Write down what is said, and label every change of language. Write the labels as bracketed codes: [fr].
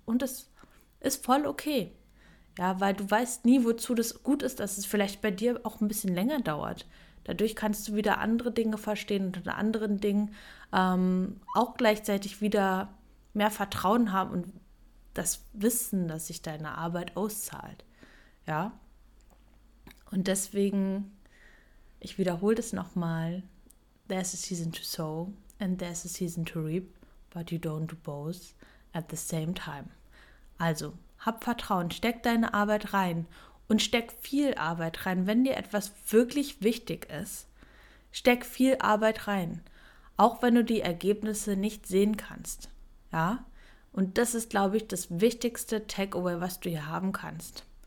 [de] Und es ist voll okay, ja, weil du weißt nie, wozu das gut ist, dass es vielleicht bei dir auch ein bisschen länger dauert. Dadurch kannst du wieder andere Dinge verstehen und in anderen Dingen auch gleichzeitig wieder mehr Vertrauen haben und das Wissen, dass sich deine Arbeit auszahlt, ja. Und deswegen, ich wiederhole das nochmal, [en] there's a season to sow and there's a season to reap, but you don't do both at the same time. [de] Also, hab Vertrauen, steck deine Arbeit rein und steck viel Arbeit rein. Wenn dir etwas wirklich wichtig ist, steck viel Arbeit rein, auch wenn du die Ergebnisse nicht sehen kannst, ja. Und das ist, glaube ich, das wichtigste Takeaway, was du hier haben kannst.